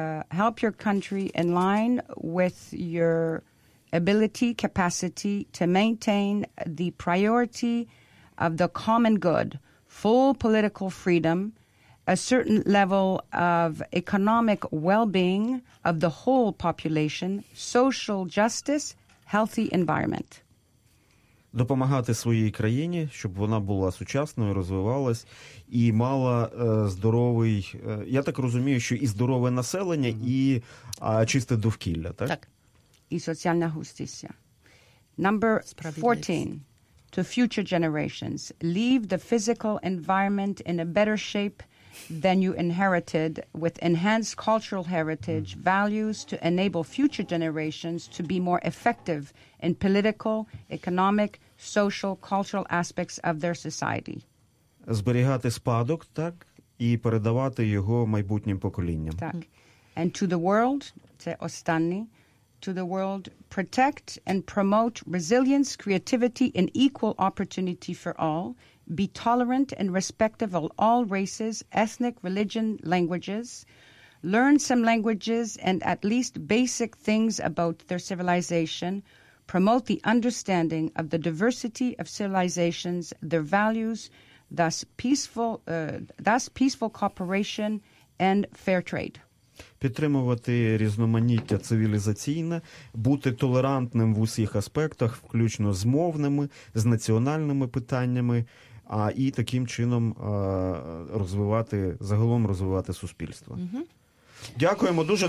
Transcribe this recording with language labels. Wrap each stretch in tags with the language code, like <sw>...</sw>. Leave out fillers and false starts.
<en>Help your country in line with your ability, capacity to maintain the priority of the common good, full political freedom, a certain level of economic well-being of the whole population, social justice, healthy environment.</en> <uk>Допомагати своїй країні, щоб вона була сучасною, розвивалась і мала здоровий, я так розумію, що і здорове населення, і чисте довкілля, так? Так. І соціальна густиця.</uk> <en>Number 14. To future generations. Leave the physical environment in a better shape than you inherited, with enhanced cultural heritage values to enable future generations to be more effective in political, economic, social, cultural aspects of their society.</en> <uk>Зберігати спадок, так, і передавати його майбутнім поколінням. Так.</uk> <en>And to the world,</en> <uk>це останній,</uk> <en>to the world, protect and promote resilience, creativity, and equal opportunity for all. Be tolerant and respectful of all races, ethnic, religion, languages. Learn some languages and at least basic things about their civilization. Promote the understanding of the diversity of civilizations, their values, thus peaceful cooperation and fair trade.</en> <uk>Підтримувати різноманіття цивілізаційне, бути толерантним в усіх аспектах, включно з мовними, з національними питаннями, а і таким чином розвивати суспільство. Mm-hmm. Дякуємо дуже.</uk>